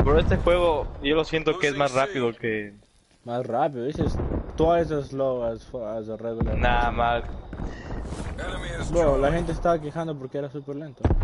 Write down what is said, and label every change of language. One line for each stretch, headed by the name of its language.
Spanish: Bro, este juego, yo lo siento que es más rápido que... Más rápido.
English: This is twice as slow as a regular.
Spanish: Nah, mal. Bro, la gente estaba quejando porque era super lento.